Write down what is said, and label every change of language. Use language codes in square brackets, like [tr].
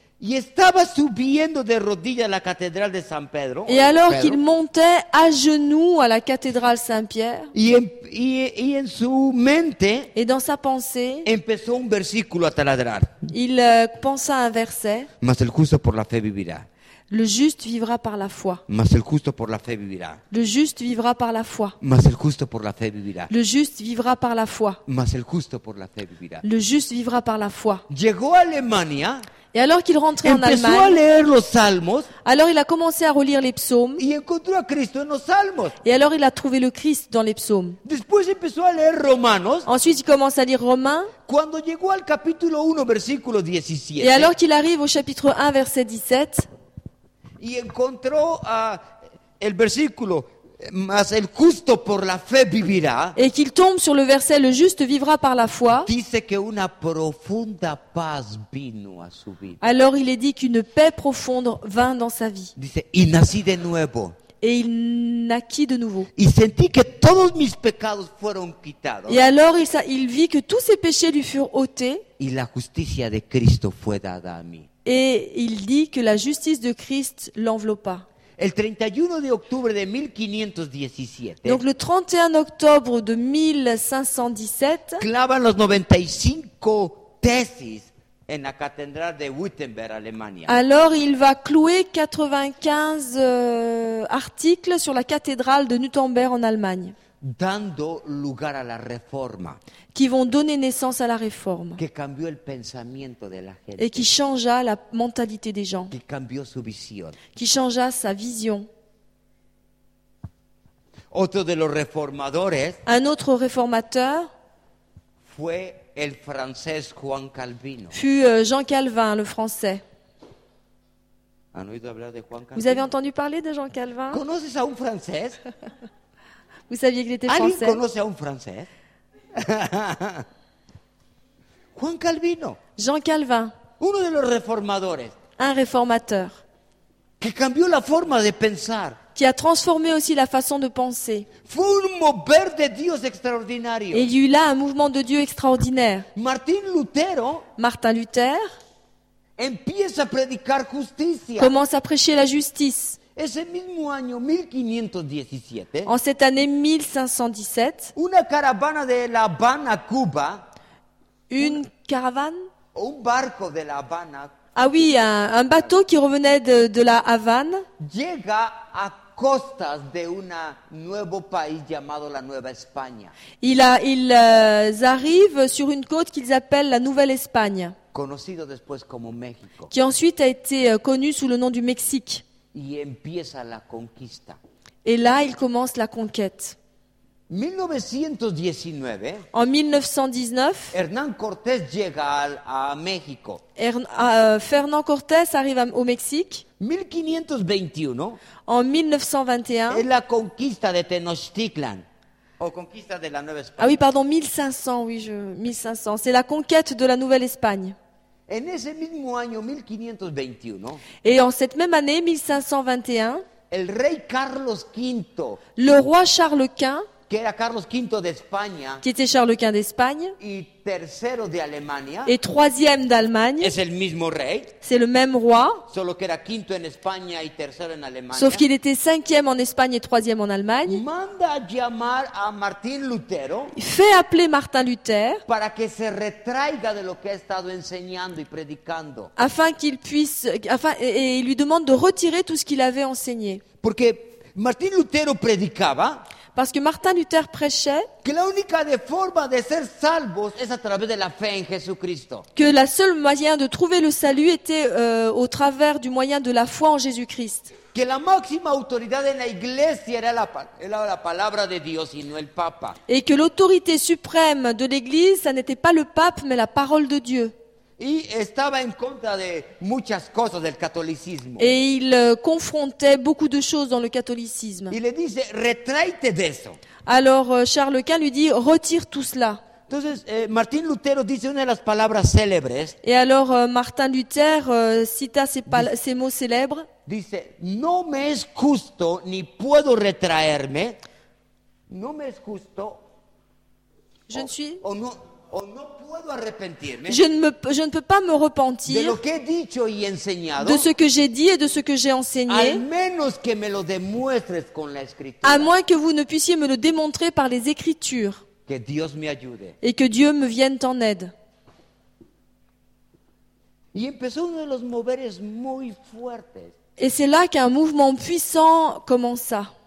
[es] y estaba subiendo de rodillas a la catedral de San Pedro, [fr] et alors qu'il montait à genoux à la cathédrale Saint-Pierre, [es] y en su mente, [fr] et dans sa pensée, [es] empezó un versículo a taladrar, [fr] il pensa un verset, [es] mas el justo por la fe vivirá. [fr] Le juste vivra par la foi. [es] Mas el justo por la fe vivirá. [fr] Le juste vivra par la foi. [es] Mas el justo por la fe vivirá. [fr] Le juste vivra par la foi. [es] Mas el justo por la fe vivirá. [fr] Le juste vivra par la foi. [es] Llegó a Alemania. [fr] Et alors qu'il rentrait en Allemagne. [es] Empezó a leer los salmos. [fr] Alors il a commencé à relire les psaumes. [es] Y encontró a Cristo en los salmos. [fr] Et alors il a trouvé le Christ dans les psaumes. [es] Después empezó a leer Romanos. [fr] Ensuite il commence à lire Romains. [es] Cuando llegó al capítulo 1 versículo 17. [fr] Et alors qu'il arrive au chapitre 1 verset 17. [es] Y encontró el versículo, mas el justo por la fe vivirá. [fr] Et qu'il tombe sur le verset, le juste vivra par la foi. [es] Dice que una profunda paz vino a su vida. [fr] Alors il est dit qu'une paix profonde vint dans sa vie. [es] Dice, y nací de nuevo. [fr] Et il naquit de nouveau. [es] Y sentí que todos mis pecados fueron quitados. [fr] Et alors il vit que tous ses péchés lui furent ôtés. [es] Y la justicia de Cristo fue dada a mí. [fr] Et il dit que la justice de Christ l'enveloppa. [es] El 31 de octubre de 1517. [fr] Donc le 31 octobre de 1517. [es] Clavan los 95 tesis en la catedral de Wittenberg, Alemania. [fr] Alors il va clouer 95 articles sur la cathédrale de Nuremberg en Allemagne. [es] Dando lugar a la reforma, [fr] qui vont donner naissance à la réforme, [es] que cambió el pensamiento de la gente, [fr] et qui changea la mentalité des gens, [es] que cambió su visión, [fr] qui changea sa vision. [es] Otro de los reformadores, [fr] un autre réformateur, [es] fue el francés Juan Calvino. [fr] Fut Jean Calvin, le français. [es] ¿Han oído hablar de Juan Calvino? [fr] Vous avez entendu parler de Jean Calvin? [es] ¿Conoces a un francés? [fr] Vous saviez qu'il était français. [es] Alguien conoce a un français. Juan Calvino. [fr] Jean Calvin. [es] Uno de los reformadores. [fr] Un réformateur. [es] Que cambió la forma de pensar. [fr] Qui a transformé aussi la façon de penser. [es] Fue un mover de Dios extraordinario. [fr] Et il y eut là un mouvement de Dieu extraordinaire. [es] Martin Lutero. [fr] Martin Luther. [es] Empieza a predicar justicia. [fr] Commence à prêcher la justice. [es] Ese mismo año, 1517, [fr] en cette année 1517, [es] una caravana de La Habana, Cuba, [fr] une caravane, [es] un barco de La Habana, [fr] ah oui, un bateau qui revenait de la Havane, [es] llega a costas de un nuevo país llamado la Nueva España. [fr] Ils arrivent sur une côte qu'ils appellent la Nouvelle Espagne, [es] conocido después como México, [fr] qui ensuite a été connu sous le nom du Mexique. [es] Y empieza la conquista. [fr] Et là, il commence la conquête. [es] 1919, [fr] en 1919, [es] Hernán Cortés llega a México. [fr] Fernán Cortés arrive au Mexique. [es] 1521, [fr] en 1921, [es] es la conquista de Tenochtitlan. O conquista de la Nueva España. [fr] Ah oui, pardon, 1500, c'est la conquête de la Nouvelle-Espagne. [es] En ese mismo año 1521. [fr] Et en cette même année 1521, [es] el rey Carlos V, [fr] le roi Charles Quint, [es] que era Carlos V de España, [fr] qui était Charles Quint d'Espagne, [es] y tercero de Alemania, [fr] et troisième d'Allemagne, [es] es el mismo rey, [fr] c'est le même roi, [es] solo que era quinto en España y tercero en Alemania, [fr] sauf qu'il était cinquième en Espagne et troisième en Allemagne, [es] manda a llamar a Martín Lutero, [fr] fait appeler Martin Luther [es] para que se retraiga de lo que ha estado enseñando y predicando, [fr] et il lui demande de retirer tout ce qu'il avait enseigné. [es] Porque Martín Lutero predicaba. [fr] Parce que Martin Luther prêchait [es] que la única de forma de ser salvos es a través de la fe en Jesucristo. [fr] Que la seule moyen de trouver le salut était au travers du moyen de la foi en Jésus-Christ. [es] Que la máxima autoridad en la iglesia era la palabra de Dios y no el Papa. [fr] Et que l'autorité suprême de l'Église, ça n'était pas le pape mais la parole de Dieu. [es] Y estaba en contra de muchas cosas del catolicismo. [fr] Et il confrontait beaucoup de choses dans le catholicisme. [es] Y le dice, retráete de eso. [fr] Alors Charles Quint lui dit, retire tout cela. [es] Entonces, Martín Lutero dice una de las palabras célebres. [fr] Et alors Martin Luther cita ces mots célèbres. [es] Dice, no me es justo ni puedo retraerme. No me es justo. [fr] Je ne suis. [es] O no. O no puedo arrepentirme. [fr] Je ne peux pas me repentir [es] de lo que he dicho y enseñado, [fr] de ce que j'ai dit et de ce que j'ai enseigné. [es] Al menos que me lo demuestres con la escritura. [fr] À moins que vous ne puissiez me le démontrer par les Écritures. [es] Que Dios me ayude. [fr] Et que Dieu me vienne en aide. [es] Y empezó uno de los moveres muy fuertes. [fr] Et c'est là qu'un mouvement puissant commença.